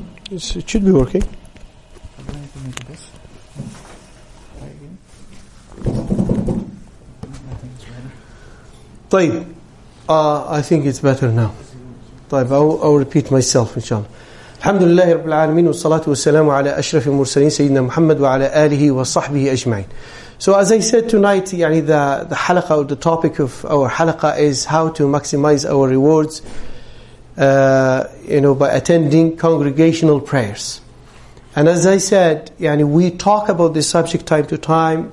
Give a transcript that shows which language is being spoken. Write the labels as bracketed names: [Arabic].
[English] It should be working. طيب, I think it's better now. طيب, I'll repeat myself, inshallah. [Arabic] الحمد لله رب العالمين والصلاة والسلام على أشرف المرسلين سيدنا محمد وعلى آله وصحبه أجمعين. [English] So as I said tonight, يعني the halaqa or the topic of our halaqa is how to maximize our rewards, by attending congregational prayers. And as I said, يعني we talk about this subject time to time.